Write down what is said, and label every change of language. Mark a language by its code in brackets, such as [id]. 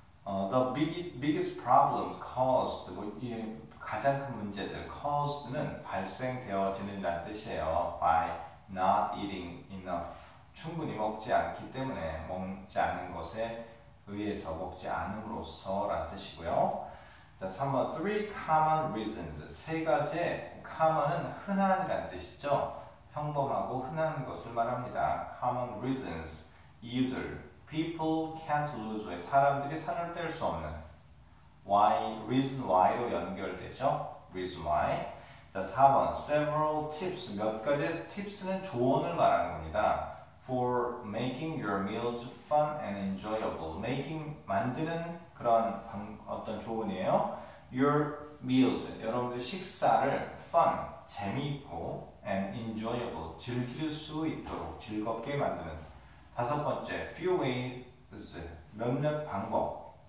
[en] The biggest problem caused [ko] 가장 큰 문제들, caused는 발생되어지는다는 뜻이에요. [en] By not eating enough. [ko] 충분히 먹지 않기 때문에, 먹지 않는 것에 의해서, 먹지 않음으로써 라는 뜻이고요. 자, 3번, [en] three common reasons. [ko] 세 가지의 common은 흔한이라는 뜻이죠. 평범하고 흔한 것을 말합니다. [en] Common reasons, [ko] 이유들, [en] People can't lose weight. [ko] 사람들이 살을 뗄 수 없는. Why? [en] Reason why [ko] 로 연결되죠. [en] Reason why. [ko] 자, 4번. [en] Several tips. [ko] 몇 가지 tips는 조언을 말하는 겁니다. [en] For making your meals fun and enjoyable. [ko] Making, 만드는 그런 어떤 조언이에요. [en] Your meals. [ko] 여러분들 식사를 fun, 재미있고 and enjoyable. 즐길 수 있도록 즐겁게 만드는. 다섯 번째, [en] few ways, [ko] 몇몇 방법.